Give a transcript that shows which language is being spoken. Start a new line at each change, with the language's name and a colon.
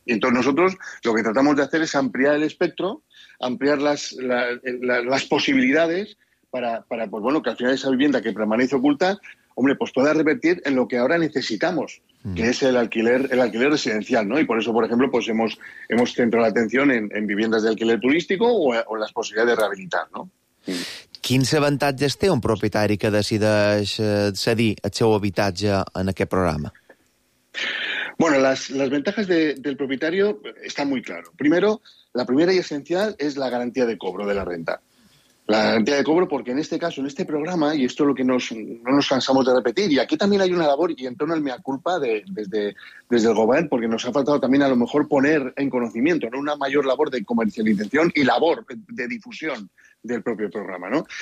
Spanish: Y entonces nosotros lo que tratamos de hacer es ampliar el espectro, ampliar las posibilidades para pues bueno, que al final esa vivienda que permanece oculta, hombre, pues pueda revertir en lo que ahora necesitamos, que es el alquiler residencial, ¿no? Y por eso, por ejemplo, pues hemos centrado la atención en viviendas de alquiler turístico o las posibilidades de rehabilitar, ¿no?
Catalan: Quins avantatges té un propietari que decideix cedir el seu habitatge en aquest programa?
Spanish: Bueno, las ventajas del propietario están muy claro. Primero, la primera y esencial es la garantía de cobro de la renta. La garantía de cobro, porque en este caso, en este programa, y esto es lo que no nos cansamos de repetir, y aquí también hay una labor y en torno al mea culpa desde el gobierno, porque nos ha faltado también a lo mejor poner en conocimiento, ¿no?, una mayor labor de comercialización y labor de difusión del propio programa, ¿no?